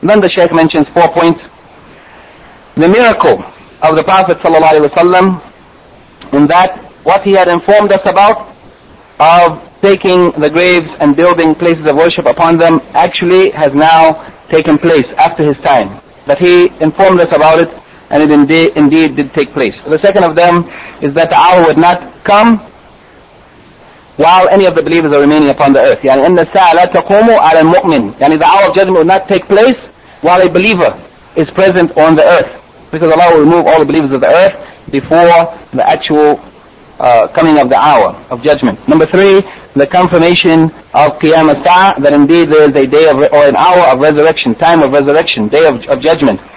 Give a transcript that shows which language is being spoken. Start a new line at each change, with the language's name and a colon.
English: Then the Shaykh mentions four points. The miracle of the Prophet sallallahu alaihi wasallam, in that what he had informed us about of taking the graves and building places of worship upon them actually has now taken place after his time. That he informed us about it, and it indeed did take place. The second of them is that the hour would not come while any of the believers are remaining upon the earth.
Arabic: يعني إن الساعة لا تقوم على المؤمن.
English: يعني the hour of judgment would not take place while a believer is present on the earth. Because Allah will remove all the believers of the earth before the actual coming of the hour of judgment. Number three, the confirmation of Qiyamah Sa'ah, that indeed there is a day of or an hour of resurrection, time of resurrection, day of judgment.